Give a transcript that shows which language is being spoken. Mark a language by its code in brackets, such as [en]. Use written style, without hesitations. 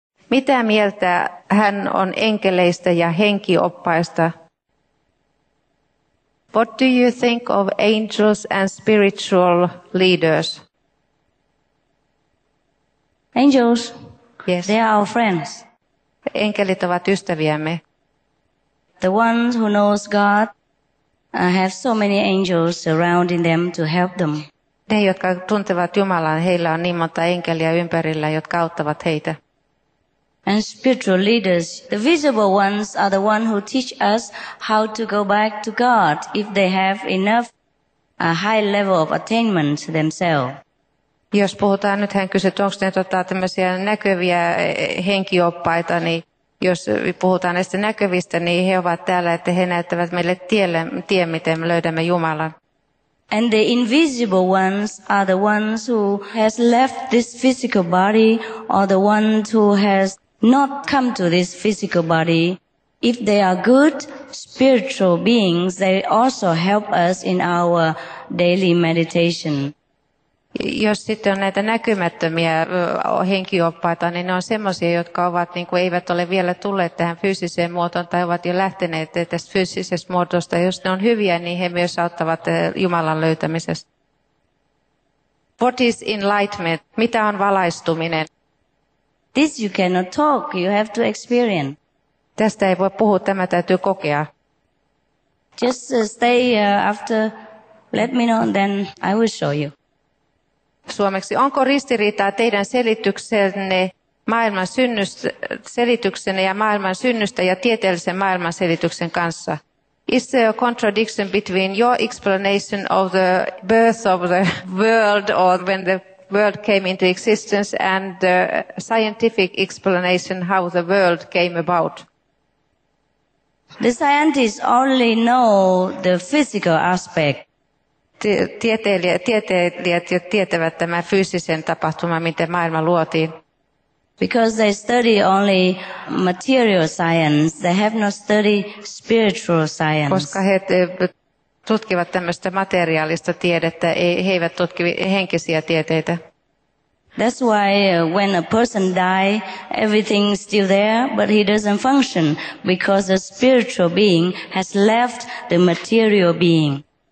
[fi] Mitä mieltä hän on enkeleistä ja henkioppaista? [en] What do you think of angels and spiritual leaders? Angels? Yes. They are our friends. [fi] Enkelit ovat ystäviämme. [en] The ones who knows God have so many angels surrounding them to help them. [fi] Ne, jotka tuntevat Jumalan, heillä on niin monta enkeliä ympärillä, jotka auttavat heitä. [en] And spiritual leaders, the visible ones are the ones who teach us how to go back to God if they have enough a high level of attainment themselves. [fi] Jos puhutaan nyt hän kysyy, onko ne tämmöisiä näkyviä henkioppaita, niin jos puhutaan näistä näkyvistä, niin he ovat täällä, että he näyttävät meille tien, miten me löydämme Jumalan. [en] And the invisible ones are the ones who has left this physical body or the ones who has not come to this physical body. If they are good spiritual beings, they also help us in our daily meditation. [fi] Jos sitten on näitä näkymättömiä henkioppaita, niin ne on semmoisia, jotka ovat, niin kuin eivät ole vielä tulleet tähän fyysiseen muotoon tai ovat jo lähteneet tästä fyysisestä muodosta. Jos ne on hyviä, niin he myös auttavat Jumalan löytämisessä. [en] What is enlightenment? [fi] Mitä on valaistuminen? [en] This you cannot talk, you have to experience. [fi] Tästä ei voi puhua, tämä täytyy kokea. [en] Just stay after, let me know, then I will show you. [fi] Suomeksi, onko ristiriitaa teidän selityksenne, maailman synnystä, selityksenne ja maailman synnystä ja tieteellisen maailman selityksen kanssa? [en] Is there a contradiction between your explanation of the birth of the world or when the world came into existence and the scientific explanation how the world came about? The scientists only know the physical aspect. [fi] Tieteilijät jo tietävät tämän fyysisen tapahtuman, miten maailma luotiin. [en] Because they study only material science, they have not studied spiritual science. [fi] Koska he tutkivat tämmöistä materiaalista tiedettä, he eivät tutki henkisiä tieteitä. [en] That's why when a person die, everything is still there, but he doesn't function, because the spiritual being has left the material being.